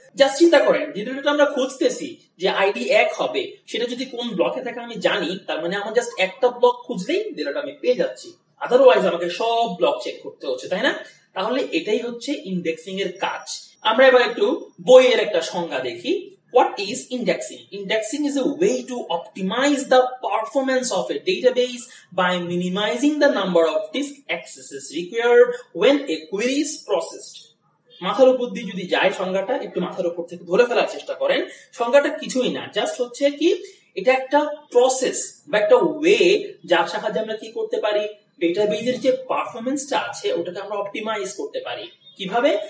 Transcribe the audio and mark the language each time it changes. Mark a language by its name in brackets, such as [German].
[Bangla] Just চিন্তা করেন, যে ডেটাটা আমরা খুঁজতেছি যে আইডি 1 হবে, সেটা যদি কোন ব্লকে থাকে আমি জানি, তার মানে আমার জাস্ট একটা ব্লক খুঁজলেই ডেটাটা আমি পেয়ে যাচ্ছি। আদারওয়াইজ আমাকে সব ব্লক চেক করতে হচ্ছে, তাই না? তাহলে এটাই হচ্ছে ইন্ডেক্সিং এর কাজ। আমরা এবার একটু বইয়ের একটা সংজ্ঞা দেখি। [English] What is indexing? Indexing is a way to optimize the performance of a database by minimizing the number of disk accesses required when a query is processed. [Bangla] মাথার উপর দিয়ে যদি যায় সংজ্ঞাটা, একটু মাথার উপর থেকে ধরে ফেলার চেষ্টা করেন, সংজ্ঞাটা কিছুই না, জাস্ট হচ্ছে কি এটা একটা প্রসেস বা একটা ওয়ে, যার সাহায্যে আমরা কি করতে পারি, ডেটাবেজের যে পারফরমেন্সটা আছে ওটাকে আমরা অপটিমাইজ করতে পারি। কিভাবে?